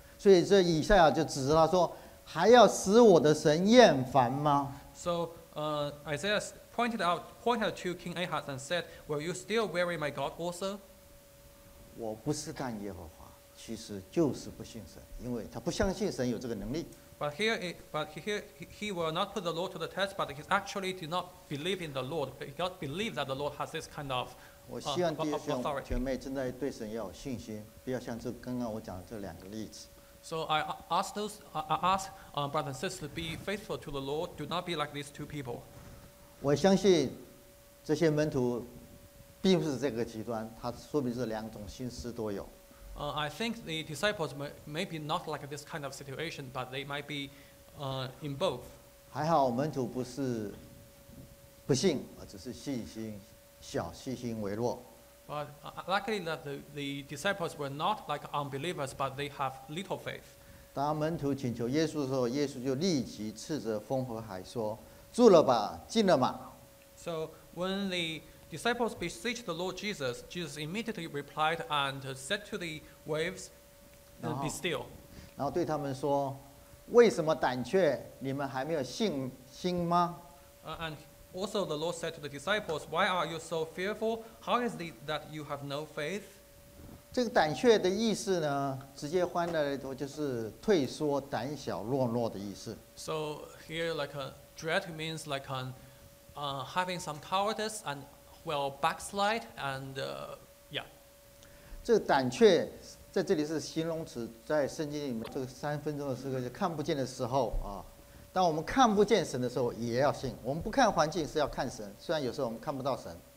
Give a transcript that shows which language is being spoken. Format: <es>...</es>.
<zh>所以这以赛亚就指着他说，还要使我的神厌烦吗？</zh> <en>So Isaiah pointed to King Ahaz and said, "Will you still weary my God also?"</en> <zh>我不试探耶和华，其实就是不信神，因为他不相信神有这个能力。</zh> <en>But he will not put the Lord to the test, but he actually did not believe in the Lord. He does believe that the Lord has this kind of authority.</en> <zh>我希望弟兄姐妹正在对神要有信心，不要像这刚刚我讲的这两个例子。</zh> <en>So I ask those, I ask brothers and sisters to be faithful to the Lord. Do not be like these two people.</en> <zh>我相信这些门徒并不是这个极端，他说明是两种心思都有。</zh> <en>I think the disciples may be not like this kind of situation, but they might be in both.</en> <zh>还好门徒不是不信，而只是信心小，信心微弱。</zh> <en>But luckily that the disciples were not like unbelievers, but they have little faith.</en> <zh>当门徒请求耶稣的时候，耶稣就立即斥责风和海说，住了吧，静了吧。</zh> <en>So when the disciples beseeched the Lord Jesus, Jesus immediately replied and said to the waves, be still.</en> <zh>然后对他们说，为什么胆怯？你们还没有信心吗？</zh> <en>Also, the Lord said to the disciples, "Why are you so fearful? How is it that you have no faith?"</en> <zh>这个胆怯的意思呢，直接翻译来说就是退缩、胆小、懦弱的意思。</zh> <en>So here, like a dread means like an, having some cowardice and well backslide and yeah.</en> <zh>这个胆怯在这里是形容词，在圣经里面这个三分钟的时刻就看不见的时候啊。当我们看不见神的时候，也要信。我们不看环境，是要看神。虽然有时候我们看不到神。</zh>